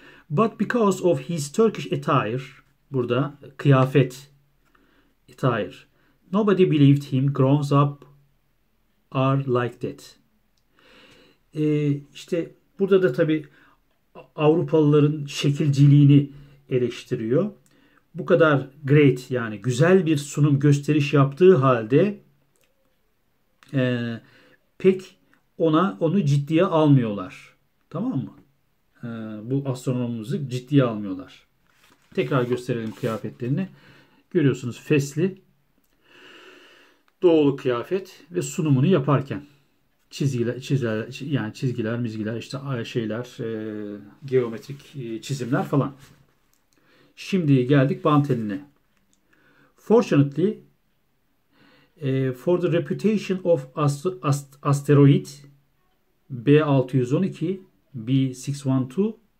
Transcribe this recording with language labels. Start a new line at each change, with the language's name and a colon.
English: But because of his Turkish attire,
Turkish: burada kıyafet,
English: attire, nobody believed him, grown up are like that.
Turkish: İşte burada da tabii Avrupalıların şekilciliğini eleştiriyor. Bu kadar great, yani güzel bir sunum gösteriş yaptığı halde pek onu ciddiye almıyorlar. Tamam mı? Bu astronomumuzu ciddiye almıyorlar. Tekrar gösterelim kıyafetlerini. Görüyorsunuz fesli doğulu kıyafet ve sunumunu yaparken çizgiler, mizgiler, işte şeyler, geometrik çizimler falan. Şimdi geldik bant eline.
English: Fortunately, for the reputation of asteroid B612, B612.